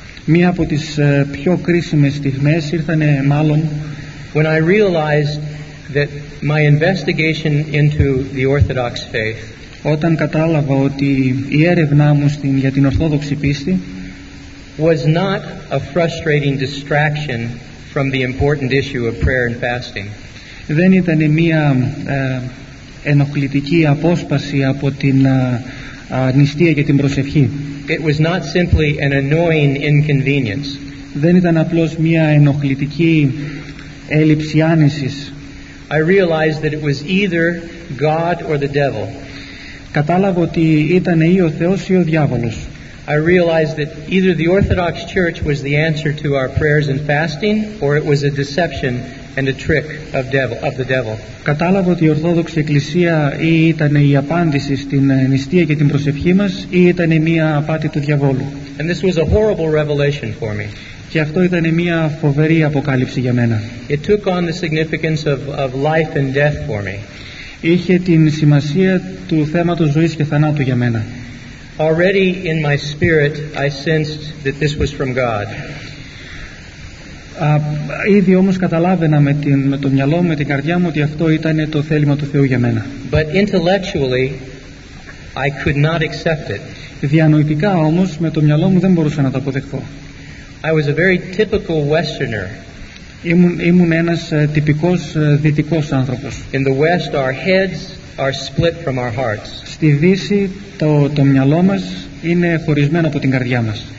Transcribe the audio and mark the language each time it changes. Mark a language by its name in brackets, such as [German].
[Greek] Μία από τις πιο κρίσιμες στιγμές ήρθανε μάλλον [English] when I realized that my investigation into the Orthodox faith, [Greek] όταν κατάλαβα ότι η έρευνά μου για την Ορθόδοξη πίστη [English] was not a frustrating distraction from the important issue of prayer and fasting. [Greek] Δεν ήταν μία ενοχλητική απόσπαση από την νηστεία και την προσευχή. [English] It was not simply an annoying inconvenience. [Greek] Δεν ήταν απλώς μία ενοχλητική έλλειψη άνεσης. [English] I realized that it was either God or the devil. [Greek] Κατάλαβα ότι ήταν ή ο Θεός ή ο διάβολος. [English] I realized that either the Orthodox Church was the answer to our prayers and fasting, or it was a deception and a trick of the devil. [Greek] Κατάλαβα ότι η Ορθόδοξη Εκκλησία ή ήταν η απάντηση στην νηστεία και την προσευχή μας ή ήταν μια απάτη του διαβόλου. [English] And this was a horrible revelation for me. [Greek] Και αυτό ήταν μια φοβερή αποκάλυψη για μένα. [English] It took on the significance of life and death for me. [Greek] Είχε την σημασία του θέματος ζωής και θανάτου για μένα. [English] Already in my spirit, I sensed that this was from God. [Greek] Ήδη όμως καταλάβαινα με το μυαλό μου, με την καρδιά μου, ότι αυτό ήταν το θέλημα του Θεού για μένα. [English] But intellectually, I could not accept it. [Greek] Διανοητικά όμως, με το μυαλό μου δεν μπορούσα να το αποδεχθώ. [English] I was a very typical Westerner. [Greek] Ήμουν ένας τυπικός δυτικός άνθρωπος. [English] In the West, our heads are split from our hearts. [Greek] Στη Δύση το μυαλό μας είναι χωρισμένο από την καρδιά μας.